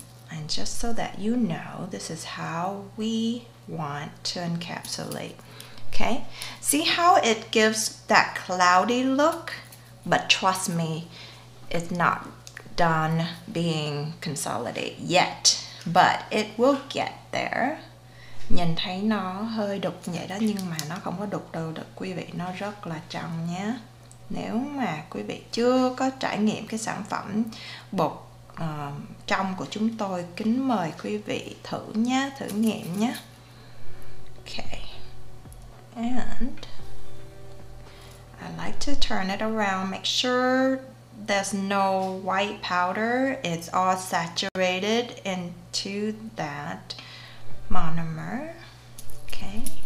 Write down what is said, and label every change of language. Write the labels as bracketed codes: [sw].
[en] And just so that you know, this is how we want to encapsulate. Okay, see how it gives that cloudy look? But trust me, it's not done being consolidated yet. But it will get there. [vi] Nhìn thấy nó hơi đục vậy đó, nhưng mà nó không có đục đâu được quý vị, nó rất là trong nhé. Nếu mà quý vị chưa có trải nghiệm cái sản phẩm bột trong của chúng tôi, kính mời quý vị thử nhé, thử nghiệm nhé. [en] Okay. And I like to turn it around, make sure there's no white powder, it's all saturated into that monomer, okay?